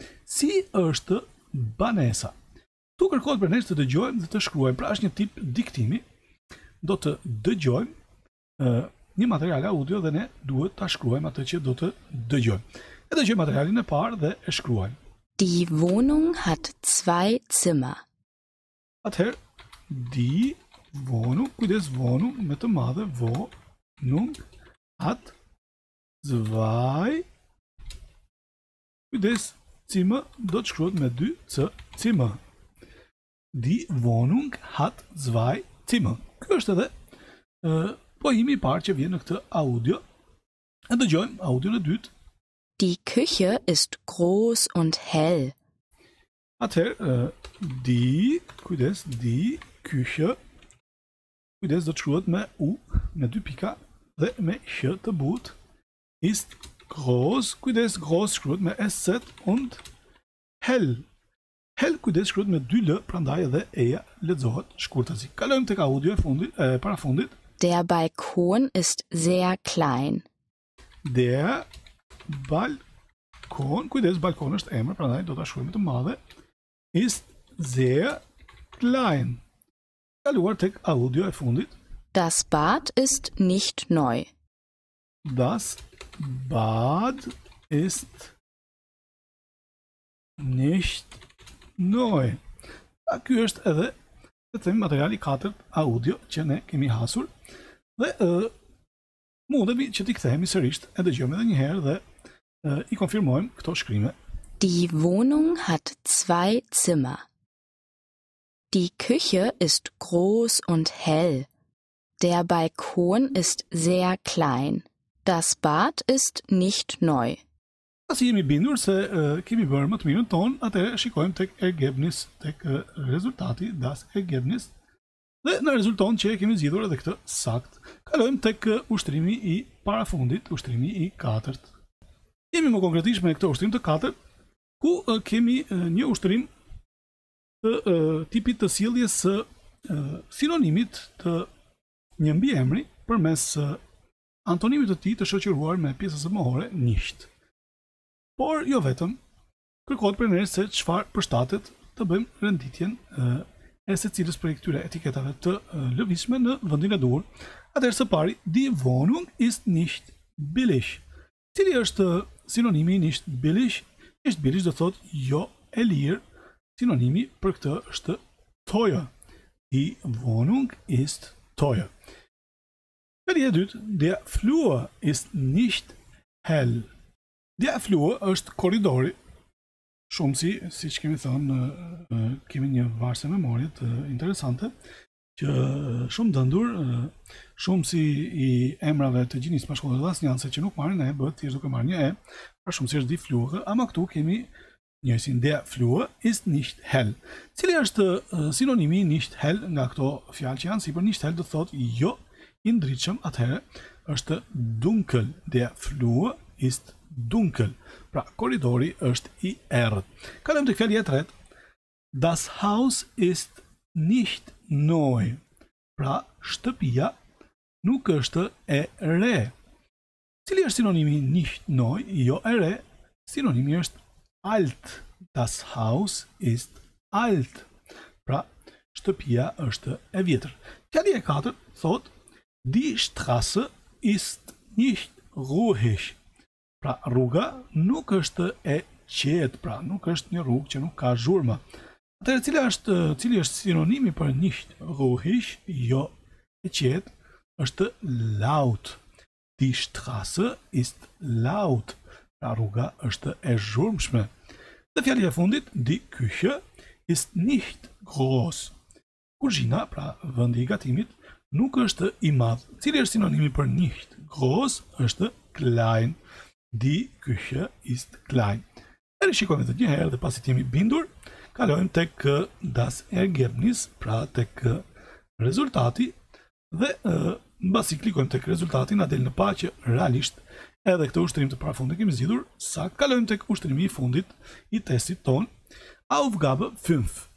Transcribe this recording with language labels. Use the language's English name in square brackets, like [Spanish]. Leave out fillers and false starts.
[Albanian] Si është banesa? Tu kërkohet për ne të dëgjojmë dhe të shkruajmë, pra është një tip diktimi. Do të dëgjojmë një material audio dhe ne duhet ta shkruajmë atë që do të dëgjojmë. E dëgjojmë materialin e parë dhe e shkruajmë. [German] Die Wohnung hat zwei Zimmer. [Albanian] Atëherë, [German] die Wohnung, [Albanian] kujdes Wohnung me të madhe, [German] Wohnung hat zwei, [Albanian] kujdes Zimmer do të shkruat me dy c Zimmer. [German] Die Wohnung hat zwei Zimmer. [Albanian] Kjo është edhe pohimi i parë që vjen në këtë audio. E dëgjojmë audio në dytë. [German] Die Küche ist groß und hell. [Albanian] Atëherë, [German] die Küche. [Albanian] Kujdes do të shkruhet me U, me dy pika, dhe me Q të butë. [German] Ist groß, [Albanian] kujdes [German] groß [Albanian] shkruhet me SZ [German] und hell. [Albanian] Hel kujdes shkruhet me 2 l, prandaj edhe e-ja lexohet shkurtazi. Kalojmë tek audio e fundit, e parafundit. [German] Der Balkon ist sehr klein. Der Balkon, [Albanian] kujdes balkon është emër, prandaj do ta shkruajmë të madhe. [German] Ist sehr klein. [Albanian] Kaluar tek audio e fundit. [German] Das Bad ist nicht neu. Das Bad ist nicht Noi. [Albanian] A ky është edhe të themi materiali 4 audio që ne kemi hasur dhe mundemi që t'i kthehemi sërish e dëgjojmë edhe një herë dhe i konfirmojmë këto shkrime. [German] Die Wohnung hat zwei Zimmer. Die Küche ist groß und hell. Der Balkon ist sehr klein. Das Bad ist nicht neu. [Albanian] Pasi jemi bindur se kemi bërë më të mirën ton, atëherë shikojmë tek Ergebnis, tek rezultati, [German] das Ergebnis. [Albanian] Dhe në rezulton që e kemi zgjidhur edhe këtë sakt, kalojmë tek ushtrimi i parafundit, ushtrimi i katërt. Jemi më konkretisht me këtë ushtrim të katërt, ku kemi një ushtrim të tipit të sjelljes së sinonimit të një mbiemri përmes antonimit të tij të shoqëruar me pjesës së mohore [German] nicht. [Albanian] Por jo vetëm, kërkohet për ne se çfarë përshtatet të bëjmë renditjen e secilës prej këtyre etiketave të lëvizshme në vendin e duhur. Atëherë së pari, [German] die Wohnung ist nicht billig. [Albanian] cili është sinonimi [German] nicht billig? [Albanian] Nicht billig do thot jo e lir. Sinonimi për këtë është [German] teuer. Die Wohnung ist teuer. [Albanian] Fjalia e dytë, [German] der Flur ist nicht hell. [Albanian] Der Flur është korridori. Shumë siç kemi thënë, kemi një varse memorie të interesante që shumë dëndur, shumë si i emrave të gjinisë bashkëllore dhe asnjëse që nuk marrin e, bëhet thjesht duke marrë një e, pra shumë si është [German] die Flur, [Albanian] ama këtu kemi njësin, [German] der Flur ist nicht hell. [Albanian] Cili është sinonimi [German] nicht hell [Albanian] nga këto fjalë që janë sipër? [German] Nicht hell [Albanian] do thotë jo i ndritshëm, atëherë është dunkel. [German] Der Flur ist dunkel. [Albanian] Pra korridori është i errët. Kalojm tek fjalia e tretë. [German] Das Haus ist nicht neu. [Albanian] Pra shtëpia nuk është e re. Cili është sinonimi [German] nicht neu, [Albanian] jo e re? Sinonimi është alt. [German] Das Haus ist alt. [Albanian] Pra shtëpia është e vjetër. Fjalia e katërt thot [German] die Straße ist nicht ruhig. [Albanian] Pra rruga nuk është e qetë, pra nuk është një rrugë që nuk ka zhurmë. Atëherë cili është sinonimi për [German] nicht ruhig, [Albanian] jo e qetë, është laut. [German] Die Straße ist laut. [Albanian] Pra rruga është e zhurmshme. Dhe fjali e fundit, [German] die Küche ist nicht groß. [Albanian] Kuzhina, pra vendi i gatimit, nuk është i madhë. Cili është sinonimi për [German] nicht groß, [Albanian] është klein. [German] Die Küche ist klein. [Albanian] Erë shikojmë edhe një herë dhe pasi të jemi bindur, kalojmë tek [German] das Ergebnis, [Albanian] pra tek rezultati, dhe mbasi klikojmë tek rezultati, na del në paqe, realisht, edhe këtë ushtrim të parafundit kemi zgjidhur, sa kalojmë tek ushtrimi i fundit i testit ton, [German] Aufgabe 5.